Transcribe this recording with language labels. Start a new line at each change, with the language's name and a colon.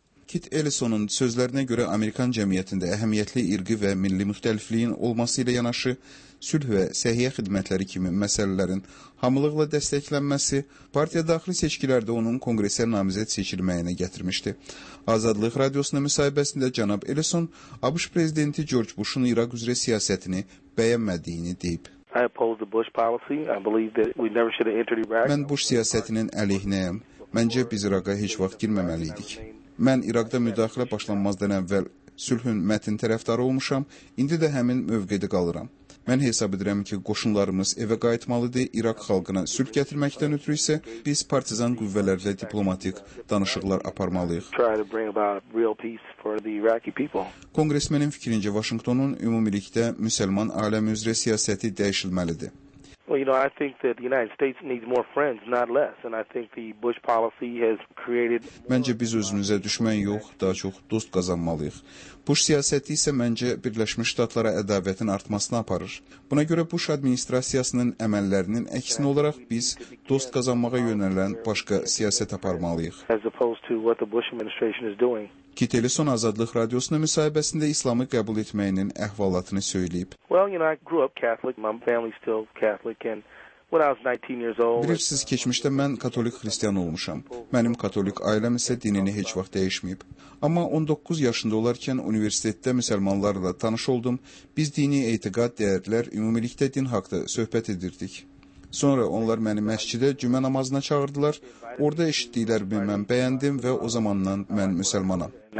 Azerbaijani: Kit Ellisonun sözlərinə görə Amerikan cəmiyyətində əhəmiyyətli irqi və milli müxtəlifliyin olması ilə yanaşı, sülh və səhiyyə xidmətləri kimi məsələlərin hamılıqla dəstəklənməsi partiya daxili seçkilərdə onun kongresə namizəd seçilməyinə gətirmişdi. Azadlıq Radiosuna müsahibəsində cənab Ellison ABŞ prezidenti George Bush'un İraq üzrə siyasətini bəyənmədiyini deyib.
English: I oppose the Bush policy. I believe that we never should have entered Iraq.
Azerbaijani: Mən Bush siyasətinin əleyhinəyəm. Məncə biz İraqa heç vaxt girməməliydik. Mən İraqda müdaxilə başlanmazdan əvvəl sülhün mətn tərəfdarı olmuşam. İndi də həmin mövqedə qalıram. Mən hesab edirəm ki, qoşunlarımız evə qayıtmalıdır. İraq xalqına sülh gətirməkdən ötürü isə biz partizan qüvvələrlə diplomatik danışıqlar aparmalıyıq. Kongresmenin fikrincə Vaşinqtonun ümumilikdə müsəlman aləmi üzrə siyasəti dəyişilməlidir.
English: Well, you know, I think that the United States needs more friends, not less, and I think the Bush policy has created.
Azerbaijani: Məncə biz özümüzə düşmən yox, daha çox dost qazanmalıyıq. Bush siyasəti isə məncə Birləşmiş Ştatlara ədavətin artmasına aparır. Buna görə Bush administrasiyasının əməllərinin əksinə olaraq biz dost qazanmağa yönələn başqa siyasət aparmalıyıq.
English: As opposed to what the Bush administration is doing.
Azerbaijani: Kit Ellison Azadlıq Radiosuna müsahibəsində İslamı qəbul etməyinin əhvalatını söyləyib.
English: Well, you know, I grew up Catholic. My family's still Catholic. And when I was 19 years old,
Azerbaijani: bilirsiniz, keçmişdə mən katolik xristiyan olmuşam. Mənim katolik ailəm isə dinini heç vaxt dəyişməyib. Amma 19 yaşında olarkən universitetdə müsəlmanlarla tanış oldum. Biz dini etiqad, dəyərlər, ümumilikdə din haqda söhbət edirdik. Sonra onlar məni məscidə cümə namazına çağırdılar. Orada eşitdiklərimi mən bəyəndim və o zamandan mən müsəlmanam.